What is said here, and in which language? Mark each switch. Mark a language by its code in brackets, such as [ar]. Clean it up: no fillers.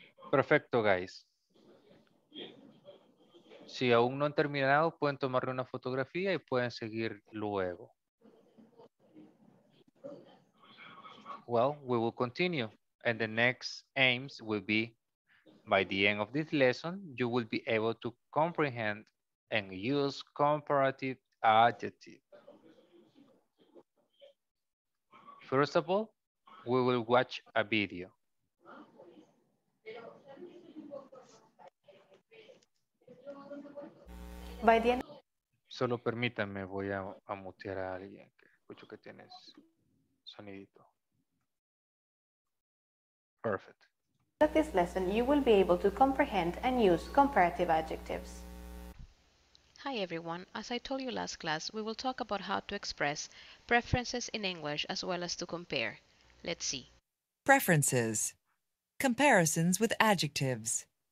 [es] Perfecto, guys. Si aún no han terminado, pueden tomarle una fotografía y pueden seguir luego. [en] Well, we will continue. And the next aims will be, by the end of this lesson, you will be able to comprehend and use comparative adjectives. First of all, we will watch a video. By the end. [es] Solo permítanme, voy a mutear a alguien que escucho que tienes sonidito. [en] Perfect. At this lesson, you will be able to comprehend and use comparative adjectives. Hi everyone, as I told you last class, we will talk about how to express preferences in English as well as to compare. Let's see. Preferences. Comparisons with adjectives.